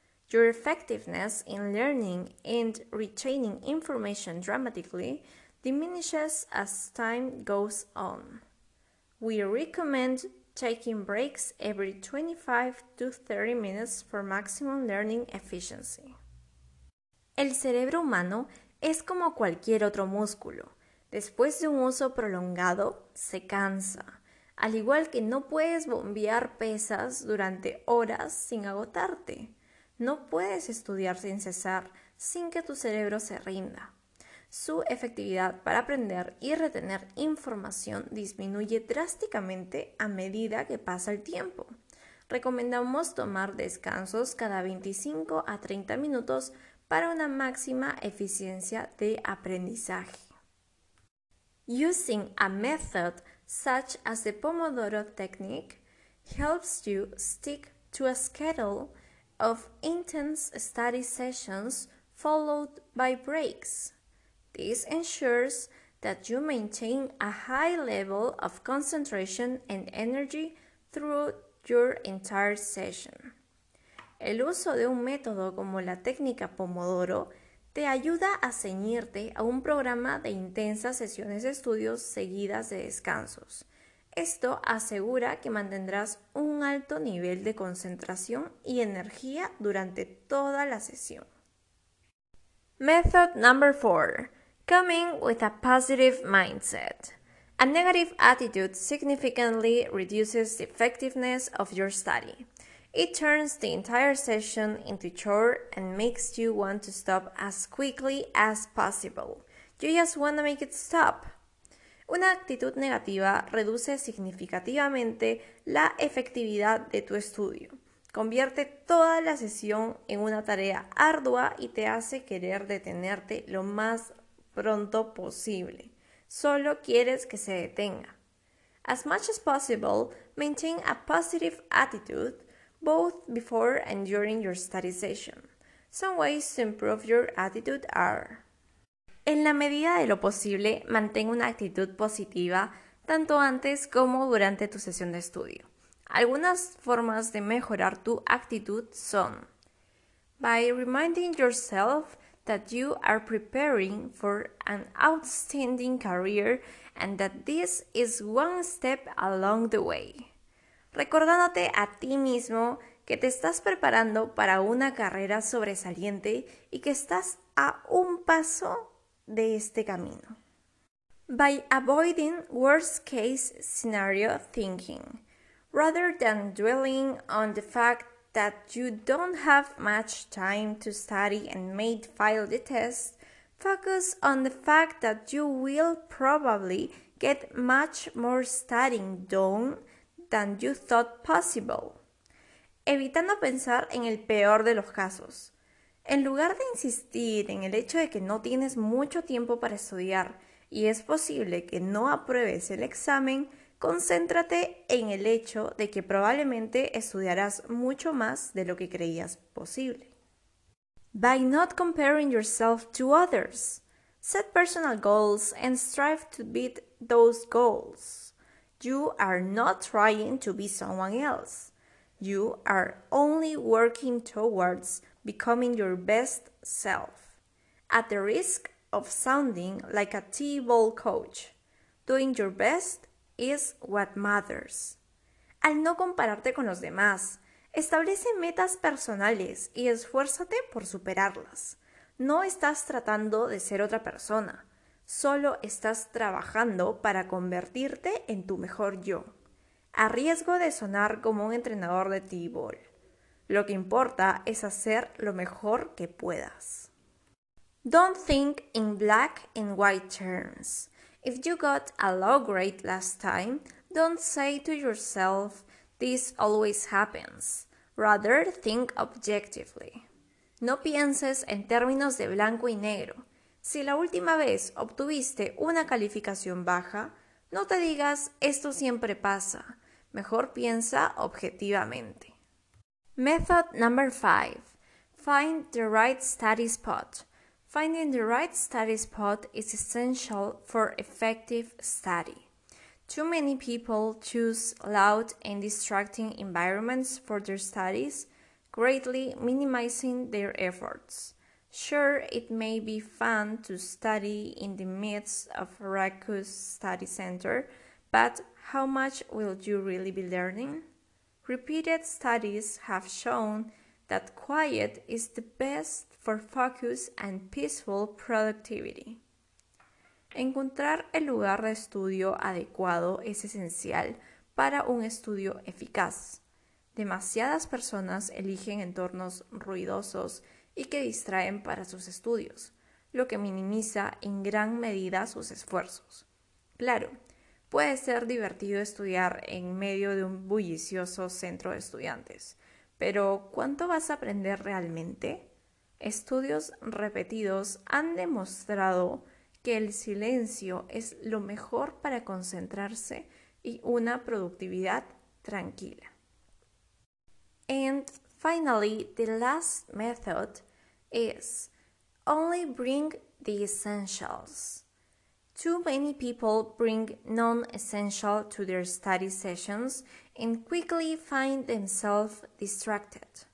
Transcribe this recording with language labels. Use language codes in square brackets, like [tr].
[en] Your effectiveness in learning and retaining information dramatically diminishes as time goes on. We recommend taking breaks every 25 to 30 minutes for maximum learning efficiency. [es] El cerebro humano es como cualquier otro músculo. Después de un uso prolongado, se cansa. Al igual que no puedes bombear pesas durante horas sin agotarte. No puedes estudiar sin cesar, sin que tu cerebro se rinda. Su efectividad para aprender y retener información disminuye drásticamente a medida que pasa el tiempo. Recomendamos tomar descansos cada 25 a 30 minutos para una máxima eficiencia de aprendizaje. [en] Using a method such as the Pomodoro technique helps you stick to a schedule of intense study sessions followed by breaks. This ensures that you maintain a high level of concentration and energy through your entire session. [es] El uso de un método como la técnica Pomodoro te ayuda a ceñirte a un programa de intensas sesiones de estudios seguidas de descansos. Esto asegura que mantendrás un alto nivel de concentración y energía durante toda la sesión. [en] Method number 4. Coming with a positive mindset. A negative attitude significantly reduces the effectiveness of your study. It turns the entire session into a chore and makes you want to stop as quickly as possible. You just want to make it stop. [es] Una actitud negativa reduce significativamente la efectividad de tu estudio. Convierte toda la sesión en una tarea ardua y te hace querer detenerte lo más pronto posible. Solo quieres que se detenga. [en] As much as possible, maintain a positive attitude both before and during your study session. Some ways to improve your attitude are: [es] en la medida de lo posible, mantén una actitud positiva tanto antes como durante tu sesión de estudio. Algunas formas de mejorar tu actitud son: [en] by reminding yourself that you are preparing for an outstanding career and that this is one step along the way. [es] Recordándote a ti mismo que te estás preparando para una carrera sobresaliente y que estás a un paso de este camino. [en] By avoiding worst case scenario thinking, rather than dwelling on the fact that you don't have much time to study and may fail the test, focus on the fact that you will probably get much more studying done than you thought possible. [es] Evitando pensar en el peor de los casos. En lugar de insistir en el hecho de que no tienes mucho tiempo para estudiar y es posible que no apruebes el examen, concéntrate en el hecho de que probablemente estudiarás mucho más de lo que creías posible. [en] By not comparing yourself to others, set personal goals and strive to beat those goals. You are not trying to be someone else. You are only working towards becoming your best self. At the risk of sounding like a T-ball coach, doing your best is what matters. [es] Al no compararte con los demás, establece metas personales y esfuérzate por superarlas. No estás tratando de ser otra persona, solo estás trabajando para convertirte en tu mejor yo, a riesgo de sonar como un entrenador de t-ball. Lo que importa es hacer lo mejor que puedas. [en] Don't think in black and white terms. If you got a low grade last time, don't say to yourself, this always happens. Rather, think objectively. [es] No pienses en términos de blanco y negro. Si la última vez obtuviste una calificación baja, no te digas, esto siempre pasa. Mejor piensa objetivamente. [en] Method number 5. Find the right study spot. Finding the right study spot is essential for effective study. Too many people choose loud and distracting environments for their studies, greatly minimizing their efforts. Sure, it may be fun to study in the midst of a raucous study center, but how much will you really be learning? Repeated studies have shown that quiet is the best for focus and peaceful productivity. [es] Encontrar el lugar de estudio adecuado es esencial para un estudio eficaz. Demasiadas personas eligen entornos ruidosos y que distraen para sus estudios, lo que minimiza en gran medida sus esfuerzos. Claro, puede ser divertido estudiar en medio de un bullicioso centro de estudiantes, pero ¿cuánto vas a aprender realmente? Estudios repetidos han demostrado que el silencio es lo mejor para concentrarse y una productividad tranquila. [en] And finally, the last method is only bring the essentials. Too many people bring non-essential to their study sessions and quickly find themselves distracted.